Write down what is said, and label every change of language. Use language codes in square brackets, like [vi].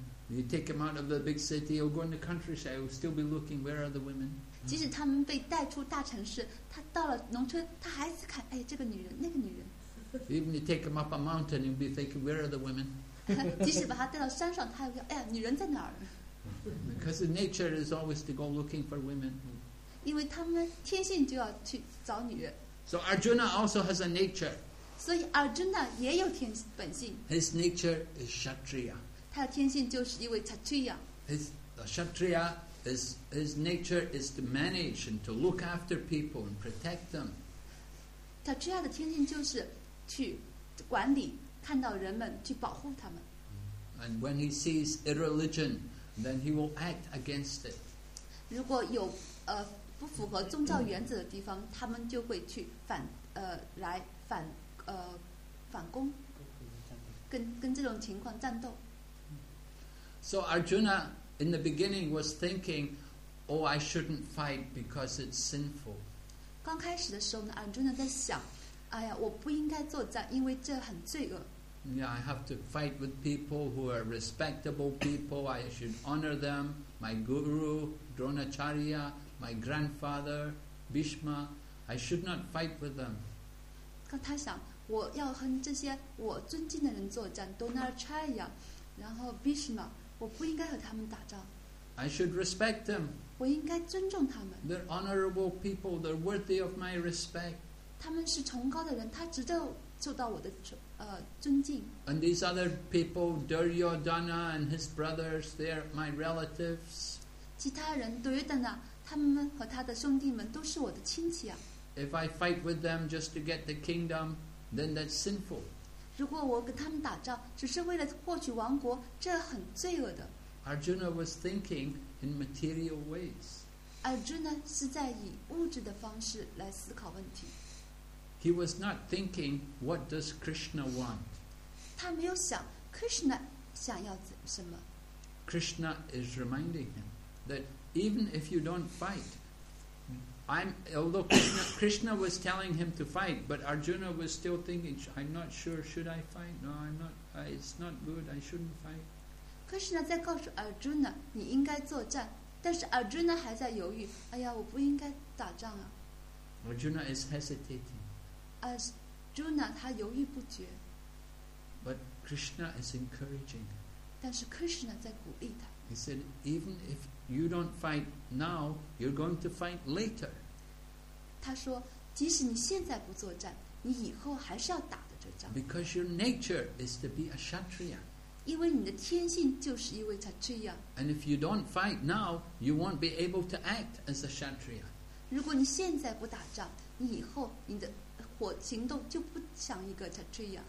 [en] You take him out of the big city, he'll go in the countryside, he'll still be looking, where are the women? [zh] 即使他们被带出大城市，他到了农村，他还是看，哎，这个女人，那个女人。 [en] Even you take him up a mountain, you'll be thinking, where are the women? [zh] 即使把他带到山上，他还会哎呀，女人在哪儿？ [en] Because the nature is always to go looking for women. [zh] 因为他们天性就要去找女人。 [en] So Arjuna also has a nature. [zh] 所以 Arjuna 也有天本性。 [en] His nature is Kshatriya. [zh] 他的天性就是一位 Kshatriya. [en] His nature is to manage and to look after people and protect them. [zh] Kshatriya 的天性就是去管理，看到人们去保护他们。 [en] And when he sees irreligion, then he will act against it. [zh] 如果有不符合宗教原则的地方，他们就会去反攻，跟这种情况战斗。 [en] So Arjuna in the beginning was thinking, "Oh, I shouldn't fight because it's sinful." [zh] 刚开始的时候呢，Arjuna在想。哎呀，我不应该作战，因为这很罪恶。 [en] Yeah, I have to fight with people who are respectable people. I should honor them. My guru, Dronacharya, my grandfather, Bhishma. I should not fight with them. [zh] 他想，我要和这些我尊敬的人作战 ，Dronacharya， 然后 Bhishma， 我不应该和他们打仗。 [en] I should respect them. [zh] 我应该尊重他们。 [en] They're honorable people. They're worthy of my respect. [zh] 他们是崇高的人，他值得受到我的尊敬。 [en] And these other people, Duryodhana and his brothers, they are my relatives. [zh] 其他人 Duryodhana, 他们和他的兄弟们都是我的亲戚啊。 [en] If I fight with them just to get the kingdom, then that's sinful. [zh] 如果我跟他们打仗，只是为了获取王国，这很罪恶的。 [en] Arjuna was thinking in material ways. [zh] Arjuna 是在以物质的方式来思考问题。 [en] He was not thinking, what does Krishna want? [zh] 他没有想 Krishna 想要什么。 [en] Krishna is reminding him that even if you don't fight, although Krishna was telling him to fight, but Arjuna was still thinking, I'm not sure, should I fight? No, I'm not. It's not good. I shouldn't fight. [zh] Krishna 在告诉 Arjuna, 你应该作战，但是 Arjuna 还在犹豫。哎呀，我不应该打仗啊。 [en] Arjuna is hesitating. [zh] Arjuna 他犹豫不决。 [en] But Krishna is encouraging. [zh] 但是 Krishna 在鼓励他。 [en] He said, even if you don't fight now, you're going to fight later. [zh] 他说，即使你现在不作战，你以后还是要打的这仗。 [en] Because your nature is to be a Kshatriya. [zh] 因为你的天性就是一位 Kshatriya. [en] And if you don't fight now, you won't be able to act as a Kshatriya. [zh] 如果你现在不打仗，你以后你的我行动就不像一个 Kshatriya。